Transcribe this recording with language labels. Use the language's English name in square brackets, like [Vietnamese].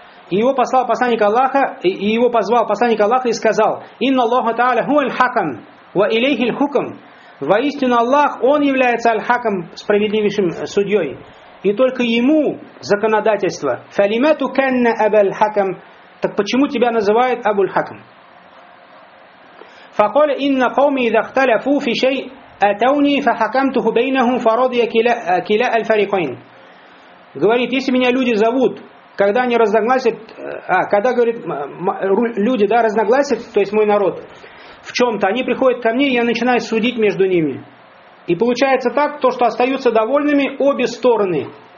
[Russian] Его послал посланник Аллаха, и его позвал посланник Аллаха и сказал: [Arabic] «Инна Аллаха Та'аля хуа аль-Хакам, ва илейхи аль-Хукам». [Russian] Воистину Аллах, Он является аль-Хакам, справедливейшим судьей. И только Ему законодательство. [Arabic] Фалимату канна Абуль-Хакам. [Russian] Так почему тебя называют Абуль-Хакам? [Arabic] فقال إن قومي إذا اختلفوا في شيء أتوني فحكمته بينهم فرضي كلا الفريقين. [Russian] Говорит, если меня люди зовут, когда они разногласят, когда говорит люди да разногласят, то есть мой народ в чем-то, они приходят ко мне, я начинаю судить между ними, и получается так, то что остаются довольными обе стороны.